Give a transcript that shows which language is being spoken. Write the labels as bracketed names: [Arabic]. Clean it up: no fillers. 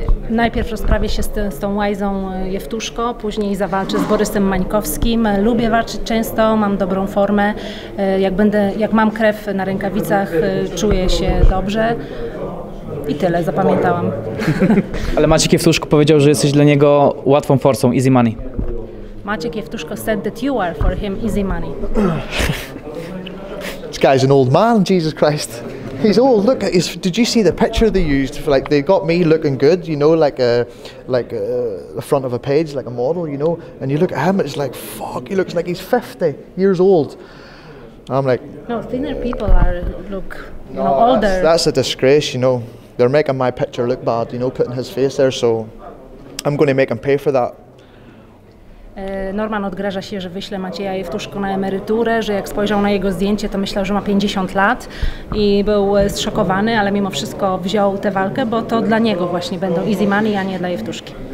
[Polish] Najpierw rozprawię się z tą łajzą Jewtuszko, później zawalczę z Borysem Mańkowskim. Lubię walczyć często, mam dobrą formę. Jak mam krew na rękawicach, czuję się dobrze. I tyle, zapamiętałam. Ale Maciek Jewtuszko powiedział, że jesteś dla niego łatwą forsą, [English] easy money. Maciek Jewtuszko said that you are for him easy money. This guy's an old man, Jesus Christ. He's old, look at his, did you see the picture they used? Like, they got me looking good, you know, like the front of a page, like a model, you know. And you look at him, it's like, fuck, he looks like he's 50 years old. I'm like, no, thinner people look older. That's a disgrace, you know. They're making my picture look bad, you know, putting his face there, so I'm going to make him pay for that. [Polish] Norman odgraża się, że wyśle Macieja Jewtuszko na emeryturę, że jak spojrzał na jego zdjęcie, to myślał, że ma 50 lat i był zszokowany, ale mimo wszystko wziął tę walkę, bo to dla niego właśnie będą [English] easy money, [Polish] a nie dla Jewtuszki.